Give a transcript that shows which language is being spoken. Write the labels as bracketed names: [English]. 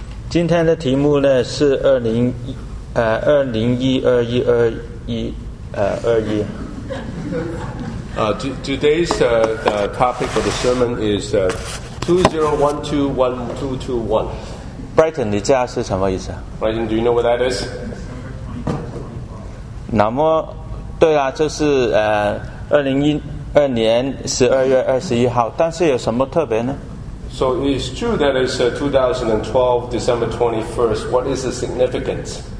[Chinese] 今天的题目呢是二零一二一二一。 [English] Today's the topic of the sermon is 20121221. [Chinese] Brighton, 你家是什么意思啊 [English] ？Brighton, do you know what that is? [Chinese] 那么，对啊，就是2012年12月21号，但是有什么特别呢？ [English] So it's true that it's 2012 December 21st. What is the significance?